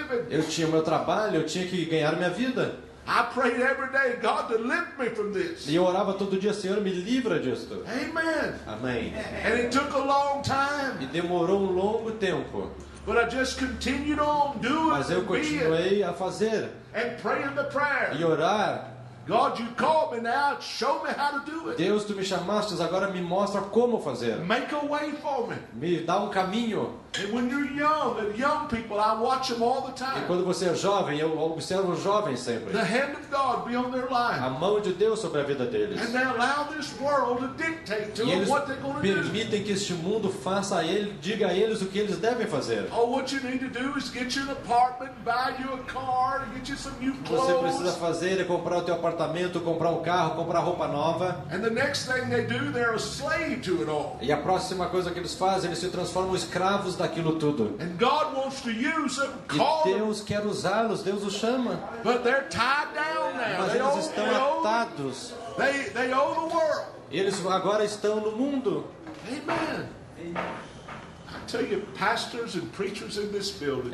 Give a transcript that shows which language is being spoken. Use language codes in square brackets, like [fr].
[pt] Eu tinha meu trabalho, eu tinha que ganhar minha vida. [en] I prayed every day, God, deliver me from this. [pt] E eu orava todo dia, Senhor, me livra disto. [en] Amen. [pt] Amém. [en] And it took a long time. [pt] E demorou um longo tempo. [en] But I just continued on doing. [pt] Mas eu continuei a fazer. [en] And praying the prayer. [pt] E orar. [en] God, you called me now. Show me how to do it. [pt] Deus, tu me chamaste, agora me mostra como fazer. [en] Make a way for me. [pt] Me dá um caminho. [en] And when you're young, the young people, I watch them all the time. [pt] E quando você é jovem, eu observo os jovens sempre. [en] The hand of God be on their life. [pt] A mão de Deus sobre a vida deles. [en] And they allow this world to dictate to them what they're going to do. [pt] Permitem que este mundo faça a ele, diga a eles o que eles devem fazer. [en] Oh, what you need to do is get you an apartment, buy you a car, and get you some new clothes. [pt] Você precisa fazer é comprar o teu apartamento, comprar um carro, comprar roupa nova. [en] And the next thing they do, they're a slave to it all. [pt] E a próxima coisa que eles fazem, eles se transformam em escravos daquilo tudo. [en] And God wants to use them, call [pt] e Deus quer usá-los, Deus os chama. [en] But they're tied down now. [pt] Mas eles estão atados. [en] They owe the world. [pt] Eles agora estão no mundo. [en] Amen. I tell you, pastors and preachers in this building,